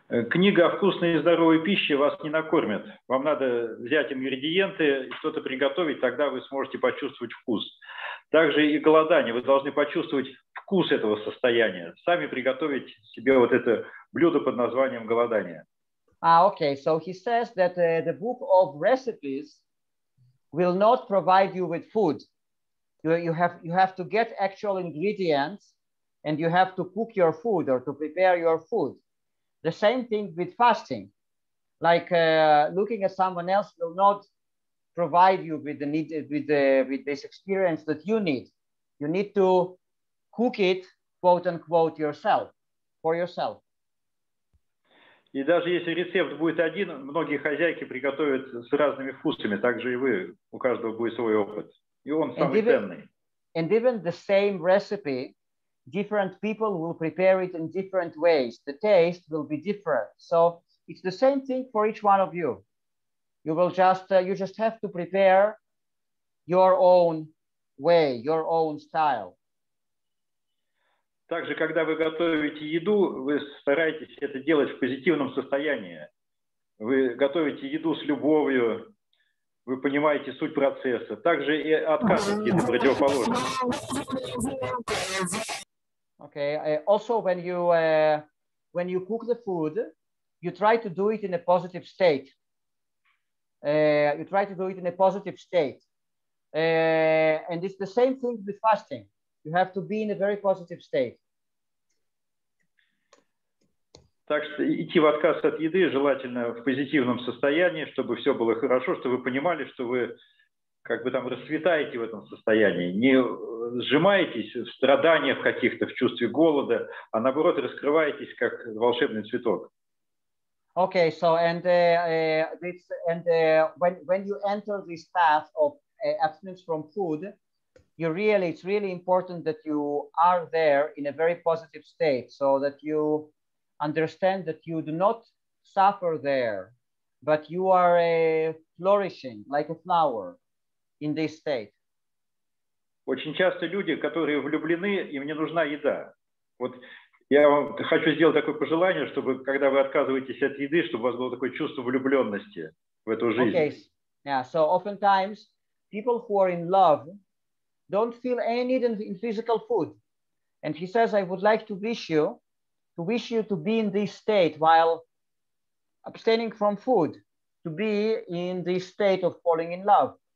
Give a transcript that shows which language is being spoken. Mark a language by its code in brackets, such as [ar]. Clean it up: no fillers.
[ru] Книга о вкусной и здоровой пище вас не накормит. Вам надо взять ингредиенты и что-то приготовить, тогда вы сможете почувствовать вкус. Также и голодание. Вы должны почувствовать вкус этого состояния. Сами приготовить себе вот это блюдо под названием голодание. [en] Okay. So he says that the book of recipes will not provide you with food. You have to get actual ingredients and you have to cook your food or to prepare your food. The same thing with fasting. Like looking at someone else will not provide you with the need with this experience that you need. You need to cook it quote unquote yourself, for yourself. [ru] И даже если рецепт будет один, многие хозяйки приготовят с разными вкусами, так же и вы, у каждого будет свой опыт. И он самый [en] and even, [ru] ценный. [en] And even the same recipe, different people will prepare it in different ways. The taste will be different. So it's the same thing for each one of you. You will just, you just have to prepare your own way, your own style. [ru] Также, когда вы готовите еду, вы стараетесь это делать в позитивном состоянии. Вы готовите еду с любовью, вы понимаете суть процесса. Также и отказ от еды противоположно. [en] Okay. Also, when you cook the food, you try to do it in a positive state. You try to do it in a positive state. And it's the same thing with fasting. You have to be in a very positive state. [ru] Так что идти в отказ от еды желательно в позитивном состоянии, чтобы все было хорошо, чтобы вы понимали, что вы как бы там расцветаете в этом состоянии, не сжимаетесь в страданиях каких-то, в чувстве голода, а наоборот раскрываетесь как волшебный цветок. [en] Okay, so when you enter this path of abstinence from food, you really it's really important that you are there in a very positive state, so that you understand that you do not suffer there, but you are flourishing like a flower in this state. [ru] Очень часто люди, которые влюблены, им не нужна еда. Вот я вам хочу сделать такое пожелание, чтобы когда вы отказываетесь от еды, чтобы у вас было такое чувство влюбленности в эту жизнь. [en] Okay. Yeah. So oftentimes people who are in love don't feel any need in physical food. And he says, I would like to wish you to wish you to be in this state while abstaining from food, to be in this state of falling in love.